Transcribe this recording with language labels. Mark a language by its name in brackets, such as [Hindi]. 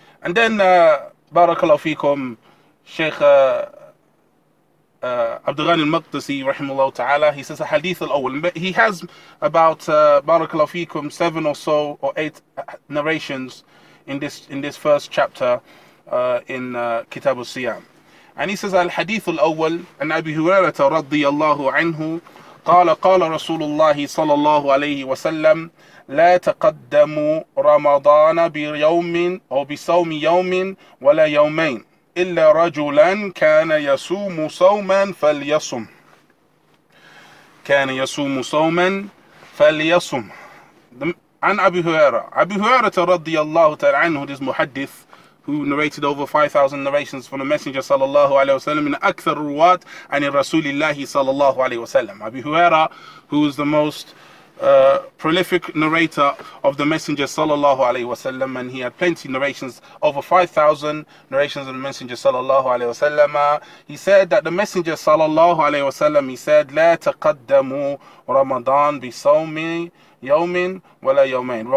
[English] And then barakallahu fikum, Sheikh Abd al-Ghani al-Maqdisi, rahimahullah ta'ala, he says a hadith al-awwal. He has about, barakallahu feekum, seven or so, or eight narrations in this first chapter in Kitab al-Siyam. And he says [Arabic] al-hadith al-awwal, an Abi Hurairah radiyallahu anhu, qala Rasulullah sallallahu alayhi wa sallam, لا تقدموا رمضان بيوم أو بصوم يوم ولا يومين إلا رجلا كان يصوم صوما فليصم كان يصوم صوما فليصم. عن أبي هريرة أبي هريرة رضي الله تعالى عنه, this محدث [English] who narrated over 5,000 narrations from the Messenger [Arabic] صلى الله عليه وسلم, من أكثر الرواة عن الرسول الله صلى الله عليه وسلم. [English] أبي هريرة, who is the most prolific narrator of the Messenger sallallahu alaihi wasallam, and he had plenty of narrations, over 5,000 narrations of the Messenger sallallahu alaihi wasallam. He said that the Messenger sallallahu alaihi wasallam, he said, [Arabic] لا تقدموا رمضان بصوم يوم ولا يومين.